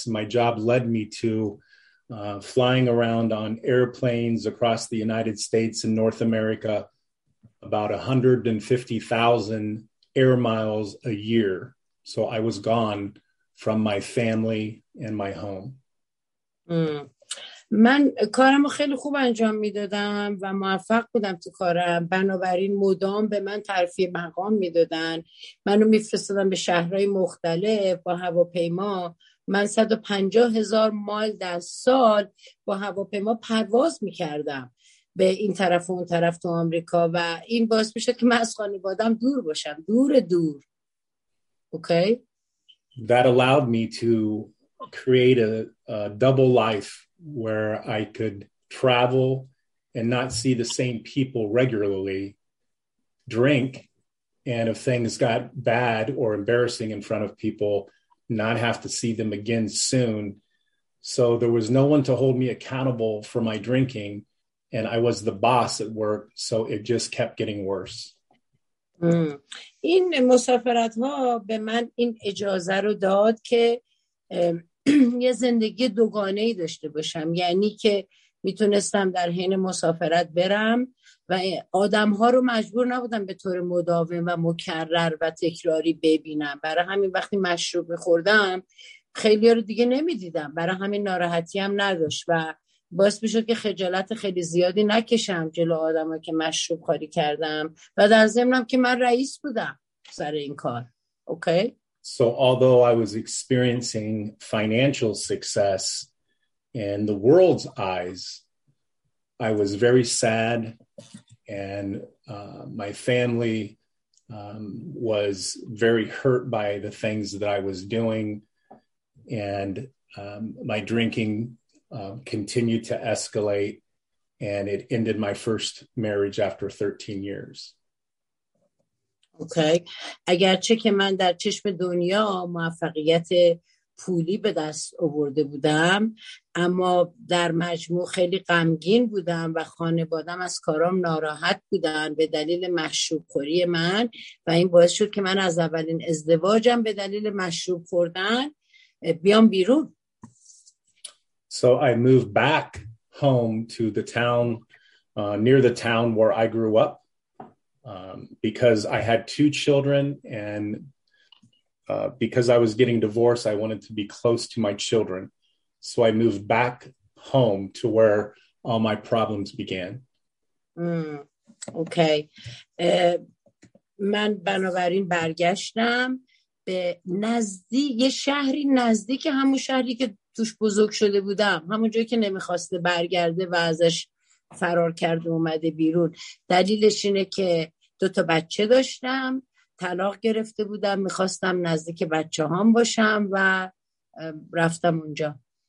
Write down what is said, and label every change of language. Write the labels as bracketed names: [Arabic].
[English] My job led me to flying around on airplanes across the United States and North America, about 150,000 air miles a year. So I was gone from my family and my home. [Persian] من کارمو خیلی خوب انجام میدادم و موفق بودم تو کارم، بنابراین مدام به من ترفیع مقام میدادن، منو میفرستادن به شهرهای مختلف با هواپیما. من 150,000 مایل در سال با هواپیما پرواز میکردم به این طرف و اون طرف تو آمریکا و این باعث میشه که من از خانوادم دور باشم، دور دور. [English] Okay. That allowed me to create a double life where I could travel and not see the same people regularly, drink, and if things got bad or embarrassing in front of people, not have to see them again soon. So there was no one to hold me accountable for my drinking, and I was the boss at work, so it just kept getting worse. [Persian] این مسافرت ها به من این اجازه رو داد که یه زندگی دوگانه‌ای داشته باشم، یعنی که میتونستم در حین مسافرت برم و آدم‌ها رو مجبور نبودم به طور مداوم و مکرر و تکراری ببینم. برای همین وقتی مشروب می‌خوردم خیلی‌ها رو دیگه نمی‌دیدم، برای همین ناراحتی هم نداشت و باعث می‌شد که خجالت خیلی زیادی نکشم جلو آدم‌ها که مشروب خوری کردم و در ضمنم که من رئیس بودم سر این کار. [English] Okay. So although I was experiencing financial success in the world's eyes, I was very sad, and my family was very hurt by the things that I was doing, and my drinking continued to escalate, and it ended my first marriage after 13 years. Okay. [Persian] اگرچه که من در چشم دنیا موفقیت پولی به دست آورده بودم، اما در مجموع خیلی غمگین بودم و خانوادم از کارام ناراحت بودن به دلیل مشروب خوری من و این باعث شد که من از اولین ازدواجم به دلیل مشروب خوردن بیام بیرون. [English] So I moved back home to the town, near the town where I grew up. Because I had 2 children, and because I was getting divorced, I wanted to be close to my children. So I moved back home to where all my problems began. Okay. [Persian] من بنابراین برگشتم به یه شهری نزدیک همون شهری که توش بزرگ شده بودم، همون جایی که نمیخواسته برگرده و ازش فرار کرده اومده بیرون. دلیلش اینه که 2 تا بچه داشتم، طلاق گرفته بودم، میخواستم نزدیک بچه هام باشم و رفتم اونجا.